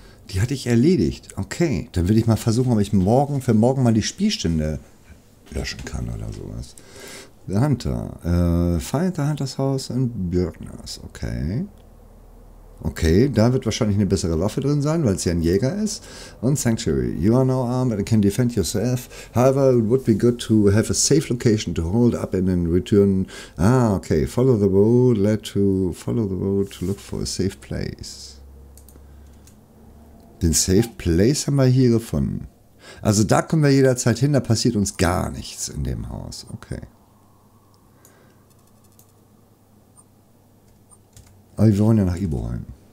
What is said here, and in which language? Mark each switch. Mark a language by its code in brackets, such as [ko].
[de] Die hatte ich erledigt. Okay, dann würde ich mal versuchen, ob ich morgen für morgen mal die Spielstände löschen kann oder sowas. [en] The Hunter. Find the Hunter's House in Björknas. Okay. [de] Okay, da wird wahrscheinlich eine bessere Waffe drin sein, weil es ja ein Jäger ist. Und Sanctuary. [en] You are now armed and can defend yourself. However, it would be good to have a safe location to hold up and then return. Ah, okay. Follow the road. Led to follow the road to look for a safe place. [de] Den Safe Place haben wir hier gefunden. Also da kommen wir jederzeit hin, da passiert uns gar nichts in dem Haus. Okay. Aber wir wollen ja nach Iboholm.